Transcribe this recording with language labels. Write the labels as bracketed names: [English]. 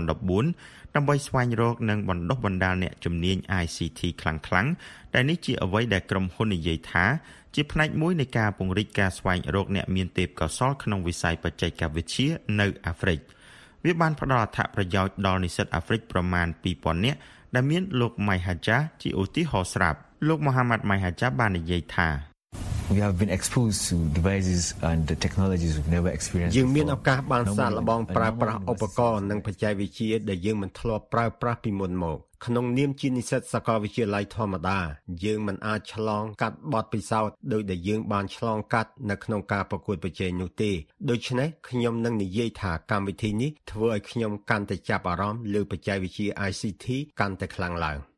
[Khmer] 2014ដើម្បីស្វែងរកនិងបណ្ដុះបណ្ដាលអ្នកជំនាញ ICT ខ្លាំងៗដែលនេះជាអ្វីដែលក្រុមហ៊ុននិយាយថាជាផ្នែកមួយនៃការពង្រីកការស្វែងរកអ្នកមានទេពកោសល្យក្នុងវិស័យបច្ចេកវិទ្យានៅអាហ្វ្រិកវាបានផ្ដល់អត្ថប្រយោជន៍ដល់និស្សិតអាហ្វ្រិកប្រមាណ 2,000 នាក់ដែលមានលោក Maihaja ជាឧទាហរណ៍ស្រាប់លោក Muhammad Maihaja បាននិយាយថា [English] We have been exposed to devices and the technologies we've never experienced. [Khmer] យើងមានឱកាសបានសាកល្បងប្រើប្រាស់ឧបករណ៍និងបច្ចេកវិទ្យាដែលយើងមិនធ្លាប់ប្រើប្រាស់ពីមុនមកក្នុងនាមជានិស្សិតសាកលវិទ្យាល័យធម្មតាយើងមិនអាចឆ្លងកាត់បទពិសោធន៍ដូចដែលយើងបានឆ្លងកាត់នៅក្នុងការប្រកួតប្រជែងនោះទេដូច្នេះខ្ញុំនឹងនិយាយថាកម្មវិធីនេះធ្វើឲ្យខ្ញុំកាន់តែចាប់អារម្មណ៍លើបច្ចេកវិទ្យា ICT កាន់តែខ្លាំងឡើង